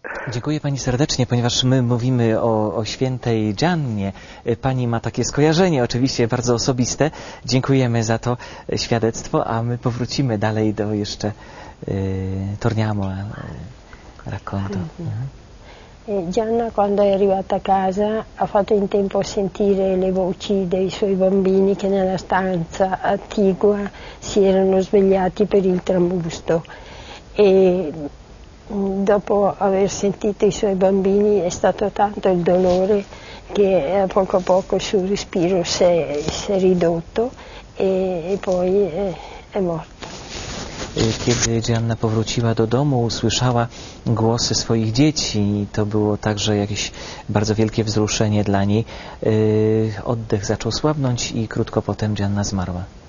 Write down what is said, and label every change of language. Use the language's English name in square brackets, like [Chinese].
[Polish] Dziękuję Pani serdecznie, ponieważ my mówimy o świętej Dżannie. Pani ma takie skojarzenie, oczywiście bardzo osobiste. Dziękujemy za to świadectwo, a my powrócimy dalej do jeszcze [Italian] Torniamo a racconto. Gianna, quando è arrivata a casa, ha fatto in tempo a sentire le voci dei suoi bambini che nella stanza attigua si erano svegliati per il trambusto. E dopo aver sentito i suoi bambini è stato tanto il dolore che poco a poco il suo respiro si è ridotto e poi è morto. [Polish] Kiedy Gianna powróciła do domu, usłyszała głosy swoich dzieci i to było także jakieś bardzo wielkie wzruszenie dla niej. Oddech zaczął słabnąć i krótko potem Gianna zmarła.